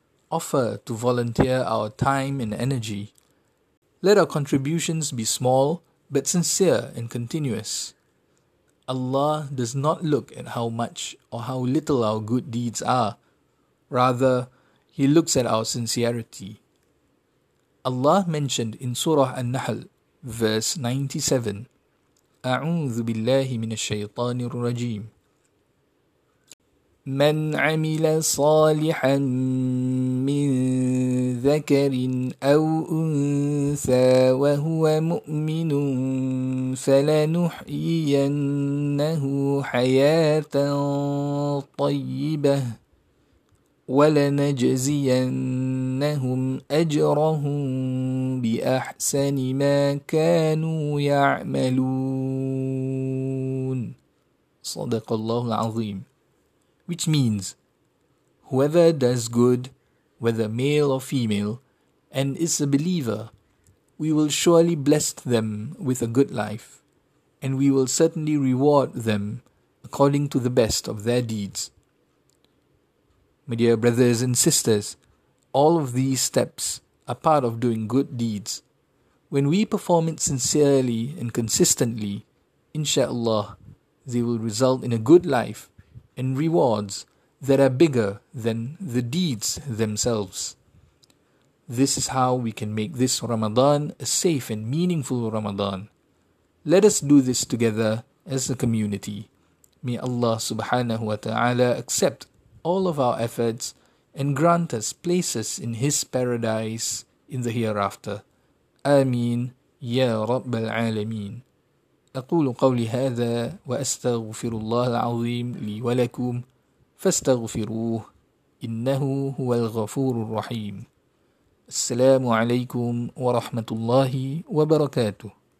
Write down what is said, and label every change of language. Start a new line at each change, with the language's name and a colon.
English: Offer to volunteer our time and energy. Let our contributions be small but sincere and continuous. Allah does not look at how much or how little our good deeds are. Rather, He looks at our sincerity. Allah mentioned in Surah An-Nahl, verse 97,
Arabic: أعوذ بالله من الشيطان الرجيم من عمل صالحا من ذكر أو أنثى وهو مؤمن فلنحيينه حياة طيبة ولنجزينهم أجرهم بأحسن ما كانوا يعملون صدق الله العظيم.
English: Which means, whoever does good, whether male or female, and is a believer, we will surely bless them with a good life, and we will certainly reward them according to the best of their deeds. My dear brothers and sisters, all of these steps are part of doing good deeds. When we perform it sincerely and consistently, insha'Allah, they will result in a good life and rewards that are bigger than the deeds themselves. This is how we can make this Ramadan a safe and meaningful Ramadan. Let us do this together as a community. May Allah subhanahu wa ta'ala accept all of our efforts and grant us places in His paradise in the hereafter. Ameen ya Rabbal Alameen.
Arabic: أقول قولي هذا وأستغفر الله العظيم لي ولكم فاستغفروه إنه هو الغفور الرحيم السلام عليكم ورحمة الله وبركاته.